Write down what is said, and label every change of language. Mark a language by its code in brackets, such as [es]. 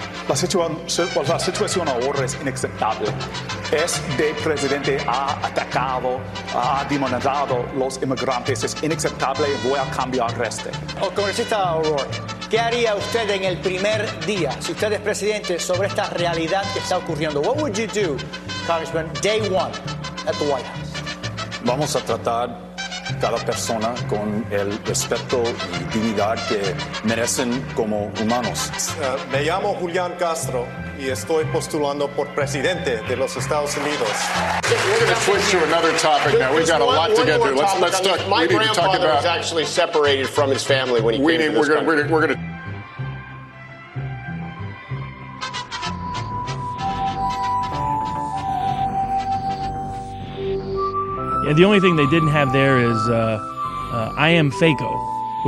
[es] La situación ahora es inaceptable. Este presidente ha atacado, ha demonizado los inmigrantes. Es inaceptable. Voy a cambiar este. Oh, congresista O'Rourke, ¿qué haría usted en el primer día, si usted es presidente, sobre esta realidad que está ocurriendo? [en] What would you do, Congressman, day one at the White House? [es] Vamos a tratar cada persona con el respeto y dignidad que merecen como humanos. Me llamo Julián Castro y estoy postulando por presidente de los Estados Unidos. [en] Let's switch to another topic now. We've got a lot to get through. Let's talk. My grandfather was actually separated from his family when he came to this country. The only thing they didn't have there is I Am Faco,